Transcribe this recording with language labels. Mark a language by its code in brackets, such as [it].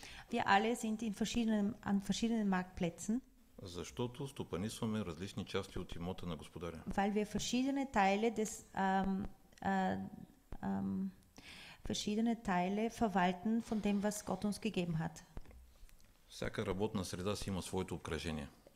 [de] Wir alle sind an verschiedenen Marktplätzen. [bg] Защото стопанисваме различни части от имота на господаря. [de] Weil wir verschiedene Teile verwalten von dem, was Gott uns gegeben hat. [bg] Всяка работна среда си има своето обкръжение.